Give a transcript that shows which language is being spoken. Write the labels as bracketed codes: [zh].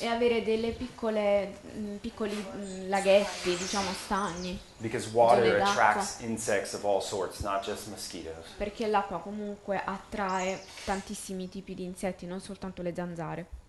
[it] E avere delle piccole piccoli laghetti, diciamo stagni. [en] Because water attracts insects of all sorts, not just mosquitoes. [it] Perché l'acqua comunque attrae tantissimi tipi di insetti, non soltanto le zanzare.